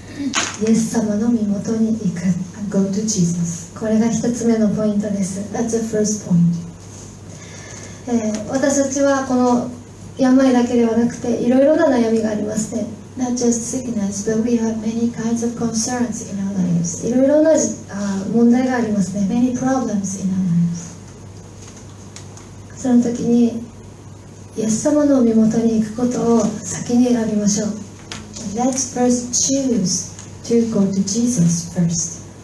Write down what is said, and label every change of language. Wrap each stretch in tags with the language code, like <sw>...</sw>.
<ja>イエス様の身元に行く。</ja> <en>Go to Jesus.</en> <ja>これが一つ目のポイントです。</ja> <en>That's the first point.</en> <ja>私たちはこの病だけではなくて、いろいろな悩みがありますね。</ja> <en>Not just sickness, but we have many kinds of concerns in our lives.</en> <ja>いろいろな問題がありますね。</ja> <en>Many problems in our lives.</en> <ja>その時にイエス様の身元に行くことを先に選びましょう。</ja> <en>Let's first choose to go to Jesus first.</en>